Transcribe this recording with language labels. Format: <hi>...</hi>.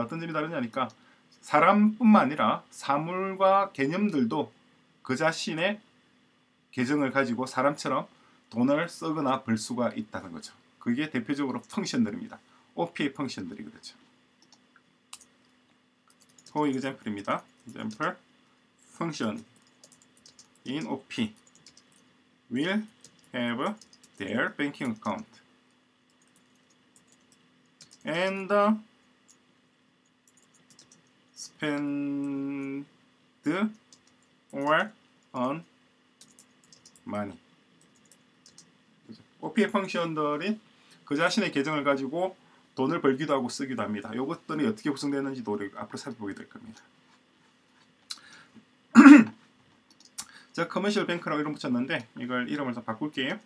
<ko>어떤 점이 다르냐니까 사람뿐만 아니라 사물과 개념들도 그 자신의 계정을 가지고 사람처럼 돈을 쓰거나 벌 수가 있다는 거죠. 그게 대표적으로 펑션들입니다. OPA 펑션들이 그렇죠. 포 example입니다.</ko> <en>Example function in OP will have their banking account and spend or earn money.</en> <ko>OP의 펑션들이 그 자신의 계정을 가지고 돈을 벌기도 하고 쓰기도 합니다. 이것들이 어떻게 구성되는지도 우리 앞으로 살펴보게 될 겁니다. 자, 커머셜 뱅크라고 이름 붙였는데 이걸 이름을 더 바꿀게요.</ko>